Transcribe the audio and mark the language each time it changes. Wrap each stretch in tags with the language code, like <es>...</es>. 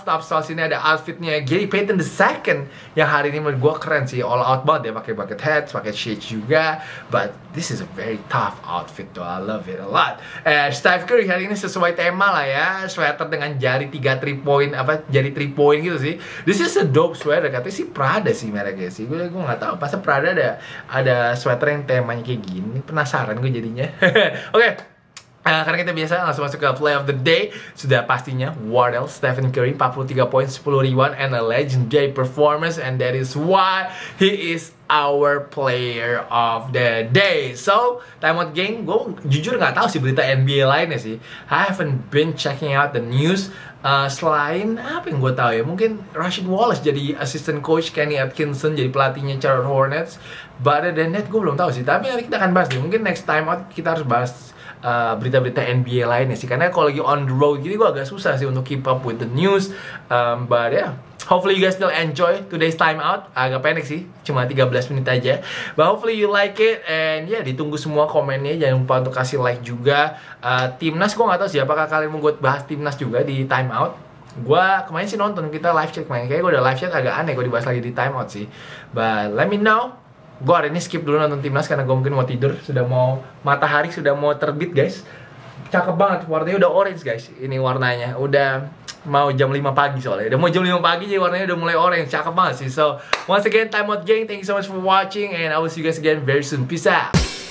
<id>Top Styles ini ada outfitnya Gary Payton II yang hari ini menurut gue keren sih. All out banget dia pakai bucket hat, pakai shades juga.</id> <en>But this is a very tough outfit though. I love it a lot.</en> <id>Steph Curry hari ini sesuai tema lah ya. Sweater dengan jari 3 three point, apa jari 3 point gitu sih.</id> <en>This is a dope sweater.</en> <id>Katanya sih Prada sih mereknya sih. Gue nggak tahu. Pasti Prada ada sweater yang temanya kayak gini. Penasaran gue jadinya. Okay. Karena kita biasa langsung masuk ke play of the day. Sudah pastinya Wardell, Stephen Curry, 43 poin, 10 rebound</id> <en>and a legendary performance. And that is why he is our player of the day.</en> <id>So, timeout game, gue jujur gak tahu sih berita NBA lainnya sih.</id> <en>I haven't been checking out the news.</en> <id>Selain apa yang gue tahu ya, mungkin Rasheed Wallace jadi assistant coach, Kenny Atkinson jadi pelatihnya Charlotte Hornets.</id> <en>But other than that,</en> <id>gue belum tahu sih. Tapi nanti kita akan bahas deh. Mungkin next time out kita harus bahas berita-berita NBA lainnya sih. Karena kalau lagi on the road gini, gue agak susah sih untuk</id> <en>keep up with the news. But yeah, hopefully you guys still enjoy today's time out.</en> <id>Agak pendek sih, cuma 13 menit aja.</id> <en>But hopefully you like it.</en> <id>And yeah, ditunggu semua komennya. Jangan lupa untuk kasih like juga. Timnas, gue gak tahu sih apakah kalian mau gue bahas Timnas juga di time out. Gue kemarin sih nonton, kita live chat kemarin. Kayaknya gue udah live chat agak aneh gue dibahas lagi di time out sih.</id> <en>But let me know.</en> <id>Gue hari ini skip dulu nonton Timnas karena gue mungkin mau tidur. Sudah mau matahari, sudah mau terbit guys. Cakep banget, warnanya udah orange guys. Ini warnanya, udah mau jam 5 pagi soalnya. Udah mau jam 5 pagi jadi warnanya udah mulai orange. Cakep banget sih.</id> <en>So, once again, time out gang. Thank you so much for watching. And I will see you guys again very soon. Peace out.</en>